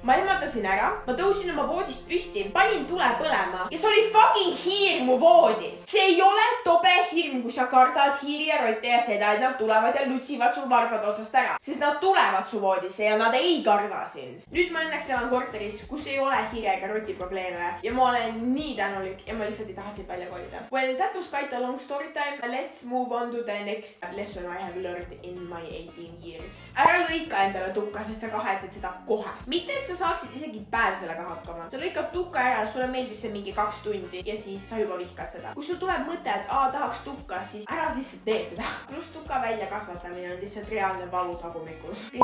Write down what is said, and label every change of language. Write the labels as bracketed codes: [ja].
[et] Ma ehmatasin ära, ma tõusin oma voodist püsti, panin tule põlema ja see oli [en] fucking [et] hiir mu voodis. See ei ole tobe hirm, kui sa kardad hiiri ja rotte ja seda, et nad tulevad ja lütsivad sul varbad otsast ära. Sest nad tulevad katsuvoodisse ja nad ei karda sind. Nüüd ma õnneks elan korteris, kus ei ole hiire ega roti probleeme ja ma olen nii tänulik ja ma lihtsalt ei taha siit välja kolida. [en] Well, that was quite a long story time. Let's move on to the next lesson I have learned in my 18 years. [et] Ära lõika endale tukka, sest sa kahetsed seda kohe. Mitte, et sa saaksid isegi päev sellega hakkama. Sa lõikab tukka ära, sulle meeldib see mingi 2 tundi ja siis sa juba vihkad seda. Kus sul tuleb mõte, et tahaks tukka, siis ära lihtsalt tee seda. Plus tukka välja kasvatamine on lihtsalt reaalne valu tagumikus.